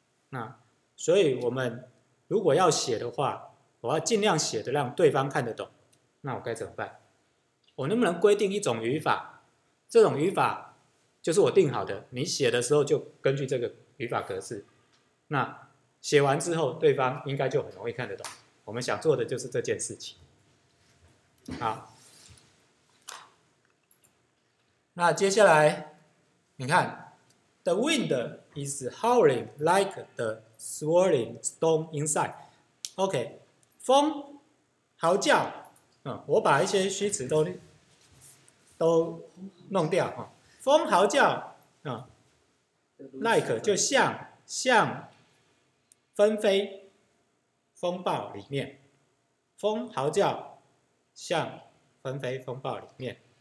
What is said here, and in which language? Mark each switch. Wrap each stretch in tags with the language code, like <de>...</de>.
<zh>那所以我们如果要写的话，我要尽量写的让对方看得懂，那我该怎么办？我能不能规定一种语法，这种语法就是我定好的，你写的时候就根据这个语法格式，那写完之后对方应该就很容易看得懂，我们想做的就是这件事情。好，那接下来你看</zh> <en>The wind is howling like the swirling storm inside。</en> <zh>OK， 风嚎叫、嗯、我把一些虚词 都弄掉、嗯、风嚎叫、嗯、like 就像纷飞风暴里面，风嚎叫像纷飞风暴里面，</zh>